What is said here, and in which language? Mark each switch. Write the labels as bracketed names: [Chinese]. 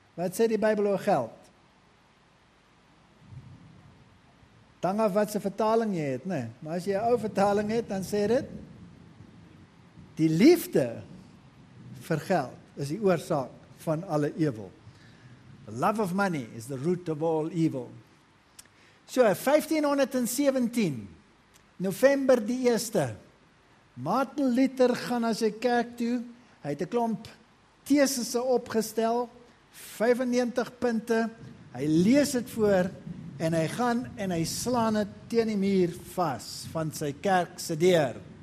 [Afrikaans] Wat sê die Bybel oor geld? Dang af wat se vertaling jy het, nee. Maar as jy 'n ou vertaling het, dan sê dit die liefde vir geld is die oorsaak van alle ewel. [English] The love of money is the root of all evil. [Afrikaans] So, 1517, November die 1ste, Martin Luther gaan na sy kerk toe, hy het 'n klomp thesisse opgestel, 95 punte, hy lees het voor, en hy gaan en hy slaan het teen die muur vas van sy kerk se deur.